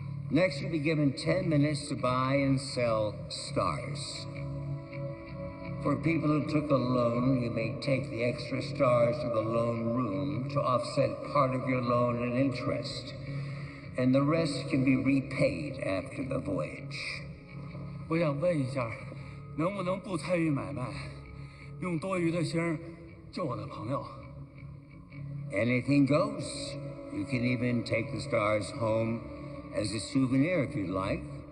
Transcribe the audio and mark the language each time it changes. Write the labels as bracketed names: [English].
[English] Next, you'll be given 10 minutes to buy and sell stars. For people who took a loan, you may take the extra stars to the loan room to offset part of your loan and interest. And the rest can be repaid after the voyage. [Chinese] 我想问一下，能不能不参与买卖，用多余的星救我的朋友？ [English] Anything goes. You can even take the stars home as a souvenir if you'd like.